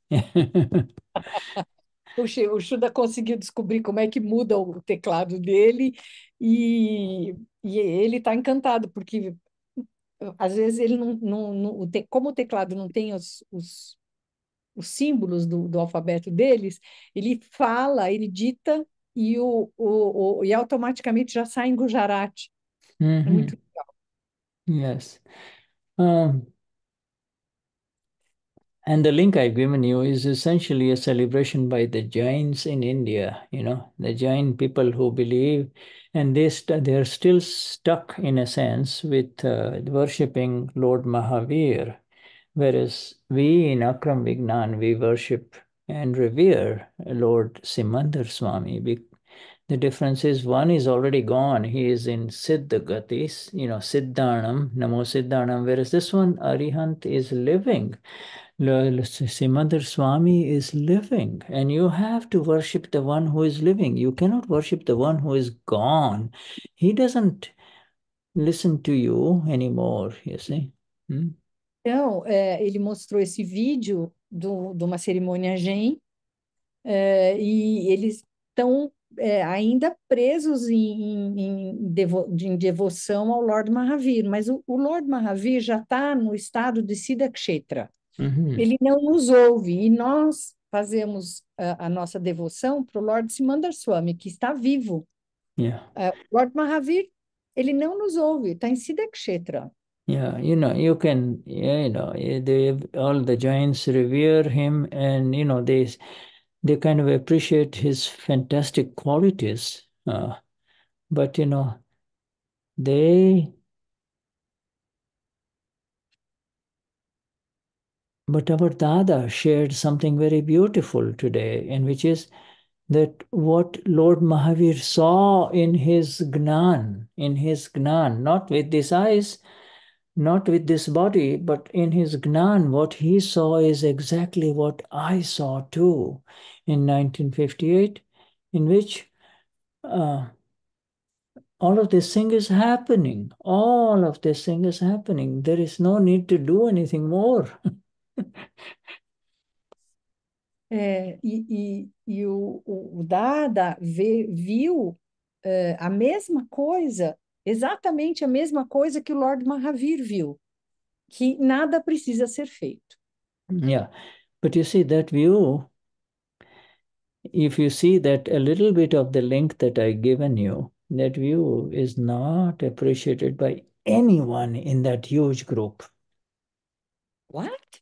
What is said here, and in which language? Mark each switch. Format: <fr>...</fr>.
<pt>Puxa, o Shuda conseguiu descobrir como é que muda o teclado dele e ele está encantado, porque às vezes ele como o teclado não tem os símbolos do alfabeto deles, ele fala, ele dita e automaticamente já sai em Gujarati. É muito legal.</pt> <en>Yes. And the link I've given you is essentially a celebration by the Jains in India, you know, the Jain people who believe, and they're still stuck in a sense with worshipping Lord Mahavir, whereas we in Akram Vignan, we worship and revere Lord Simandar Swami. The difference is one is already gone. He is in Siddhagatis, you know, Siddhanam, Namo Siddhanam, whereas this one, Arihant, is living. Simandar Swami is living, and you have to worship the one who is living. You cannot worship the one who is gone. He doesn't listen to you anymore, you see.</en> <pt>Então, ele mostrou esse vídeo de uma cerimônia Jain, e eles estão ainda presos em devoção ao Lord Mahavir, mas o Lord Mahavir já está no estado de Siddha Kshetra. Ele não nos ouve e nós fazemos a nossa devoção para o Lord Simandar Swami, que está vivo. O Lord Mahavir, ele não nos ouve, está em Siddha Kshetra.</pt> <en>Yeah, you know, you can, yeah, you know, all the Jains revere him, and you know, they kind of appreciate his fantastic qualities, but you know, But our Dada shared something very beautiful today, and which is that what Lord Mahavir saw in his Gnan, not with these eyes, not with this body, but in his Gnan, what he saw is exactly what I saw too in 1958, in which all of this thing is happening. All of this thing is happening. There is no need to do anything more.</en> <pt>E o Dada viu a mesma coisa, exatamente a mesma coisa que o Lord Mahavir viu, que nada precisa ser feito.</pt> <en>Yeah, but you see that view, if you see that a little bit of the link that I've given you, that view is not appreciated by anyone in that huge group. What?</en>